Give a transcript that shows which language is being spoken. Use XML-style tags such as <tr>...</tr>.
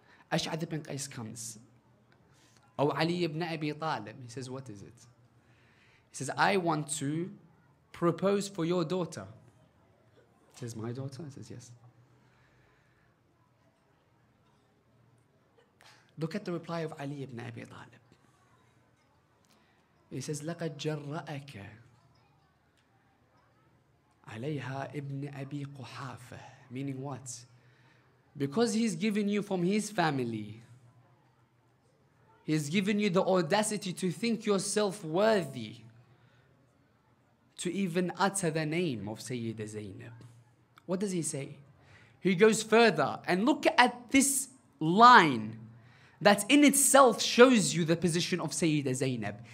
<en>Ash'ad ibn Qais comes. Oh, Ali ibn Abi Talib. He says, what is it? He says, I want to propose for your daughter. He says, my daughter? He says, yes. Look at the reply of Ali ibn Abi Talib. He says,</en> <ar>لَقَدْ جَرَّأَكَ عَلَيْهَا ابْنِ أَبِي قُحَافَةِ.</ar> <en>Meaning what? Because he's given you from his family, he's given you the audacity to think yourself worthy to even utter the name of Sayyida Zaynab. What does he say? He goes further and look at this line that in itself shows you the position of Sayyida Zaynab.</en>